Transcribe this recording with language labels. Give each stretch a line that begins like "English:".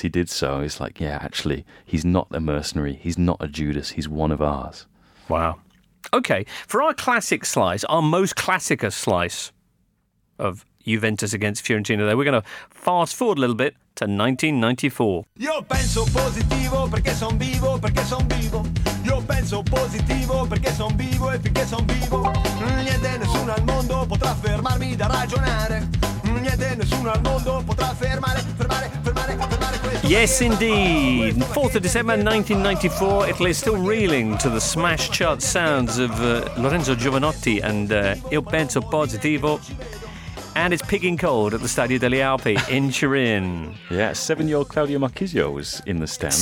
English: he did so is like, yeah, actually, he's not a mercenary. He's not a Judas. He's one of ours. Wow. Okay, for our classic slice, our most classic slice of Juventus against Fiorentina there, we're going to fast forward a little bit to 1994.
Italian: Io penso positivo perché son vivo, perché son vivo. Io penso positivo perché son vivo e finché son vivo. Niente nessuno al mondo potrà fermarmi da ragionare. Niente nessuno al mondo potrà fermare questo.
English: Yes indeed. 4th of December 1994, Italy is still reeling to the smash chart sounds of Lorenzo Giovanotti and Io penso positivo. And it's pigging cold at the Stadio degli Alpi in Turin. Yeah, 7-year-old Claudio Marchisio was in the stands.